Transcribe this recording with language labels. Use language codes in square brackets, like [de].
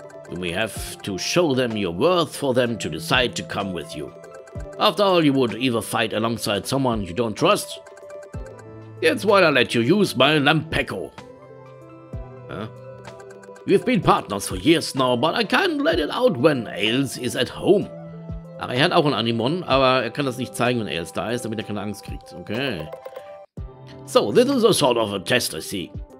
[en] You may have to show them your worth for them to decide to come with you. After all, you would either fight alongside someone you don't trust. That's why I let you use my Lampeko. We've been partners for years now, but I can't let it out when Ailes is at home. [de] Er hat auch einen Animon, aber er kann das nicht zeigen, wenn Ailes da ist, damit er keine Angst kriegt. [en] Okay. So, this is a sort of a test, I see.